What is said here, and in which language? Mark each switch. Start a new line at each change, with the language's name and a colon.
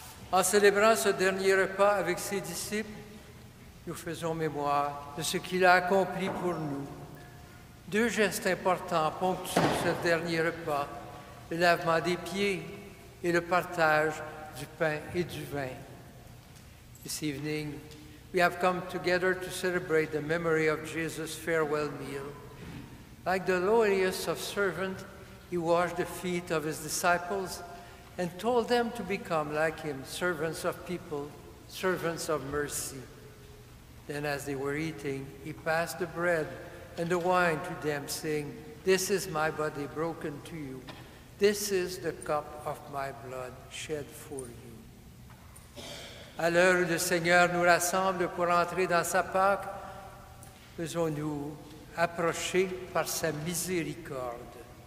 French: En célébrant ce dernier repas avec ses disciples, nous faisons mémoire de ce qu'il a accompli pour nous. Deux gestes importants ponctuent ce dernier repas, le lavement des pieds et le partage du pain et du vin.
English: This evening, we have come together to celebrate the memory of Jesus' farewell meal. Like the lowliest of servants, he washed the feet of his disciples and told them to become like him, servants of people, servants of mercy. Then as they were eating, he passed the bread and the wine to them, saying, "This is my body broken to you. This is the cup of my blood shed for you."
French: À l'heure où le Seigneur nous rassemble pour entrer dans sa Pâque, faisons-nous approcher par sa miséricorde.